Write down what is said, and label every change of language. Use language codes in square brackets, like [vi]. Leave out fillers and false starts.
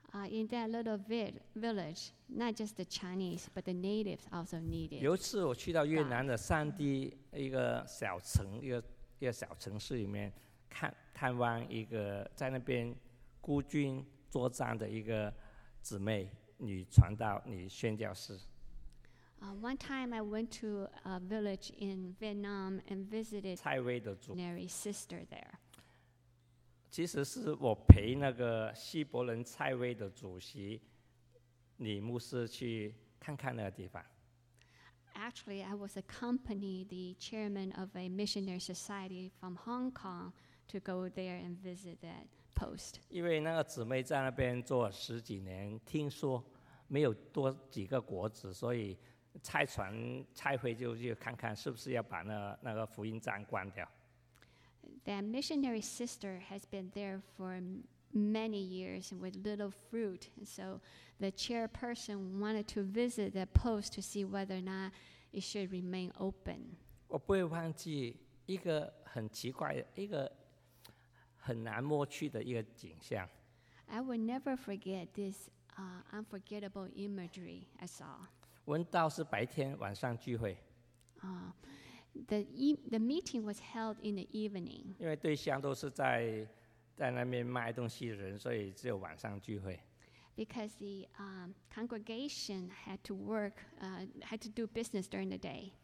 [en] In that little village, not just the Chinese, but the natives also needed. [zh] 有一次我去到越南的山地一个小城，一个小城市里面，探望一个在那边孤军作战的一个姊妹，女传道，女宣教士。 [en] One time I went to a village in Vietnam and visited a missionary sister there. [zh] 其实是我陪那个西伯伦蔡威的主席李牧师去看看那个地方。 [en] Actually, I was accompanying the chairman of a missionary society from Hong Kong to go there and visit that post. [zh] 因为那个姊妹在那边做了十几年，听说没有多几个果子，所以蔡传蔡辉就去看看是不是要把那个福音站关掉。 [en] That missionary sister has been there for many years with little fruit, so the chairperson wanted to visit the post to see whether or not it should remain open. [zh] 我不会忘记一个很奇怪的一个很难抹去的一个景象。 [en] I will never forget this unforgettable imagery I saw. [zh] 文道是白天晚上聚会。 [en] The meeting was held in the evening. [zh] 因为对象都是在那边卖东西的人，所以只有晚上聚会。 [en] Because the congregation had to work, had to do business during the day.